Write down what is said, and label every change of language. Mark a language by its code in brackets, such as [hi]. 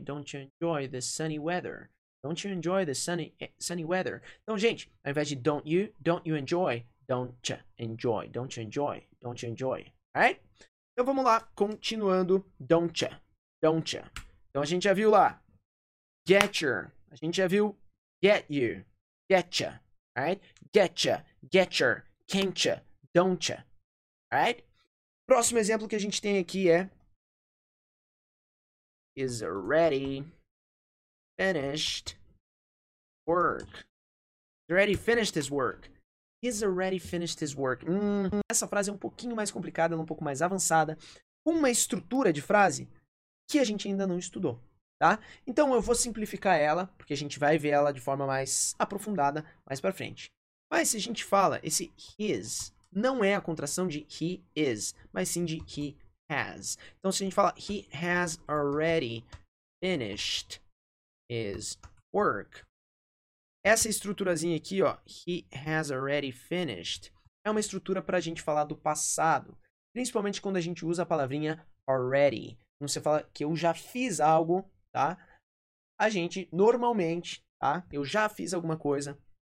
[en] Don't you enjoy the sunny weather? Don't you enjoy the sunny weather? [pt] Então, gente, ao invés de [en] don't you enjoy, don't you enjoy, don't you enjoy, don't you enjoy, right? [pt] Então, vamos lá, continuando, [en] don't you, don't you. [pt] Então, a gente já viu lá, [en] get your, [pt] a gente já viu, [en] get you, get ya, right? Get ya, get your, can't ya, don't ya, right? [pt] Próximo exemplo que a gente tem aqui é, [en] is ready. Finished work. He's already finished his work. He's already finished his work. [pt] Essa frase é um pouquinho mais complicada, um pouco mais avançada. Uma estrutura de frase que a gente ainda não estudou, tá? Então, eu vou simplificar ela, porque a gente vai ver ela de forma mais aprofundada mais pra frente. Mas se a gente fala, esse his não é a contração de he is, mas sim de he has. Então, se a gente fala, [en] he has already finished is work. [pt] Essa estruturazinha aqui, ó, [en] he has already finished, [pt] é uma estrutura para a gente falar do passado. Principalmente quando a gente usa a palavrinha already. Quando você fala que eu já fiz algo, tá? A gente, normalmente, tá? Eu já fiz alguma coisa.